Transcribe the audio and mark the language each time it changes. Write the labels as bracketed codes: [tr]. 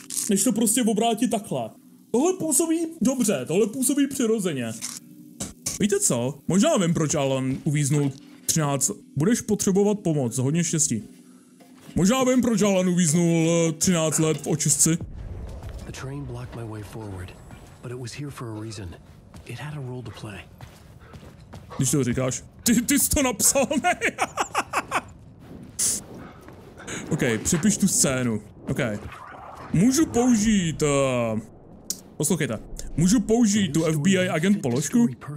[cs] Než to prostě obrátit takhle. Tohle působí dobře, tohle působí přirozeně. Víte co? Možná vím, proč Alan uvíznul 13. Budeš potřebovat pomoc, hodně štěstí. Možná vím, proč Alan uvíznul 13 let v očistci. [en] The train blocked my way forward, but it was here for a reason. It had a role to play. [cs] Když to říkáš, ty jsi to napsal, ne? OK, přepiš tu scénu. OK. Můžu použít... Poslouchejte. Můžu použít tu FBI agent položku?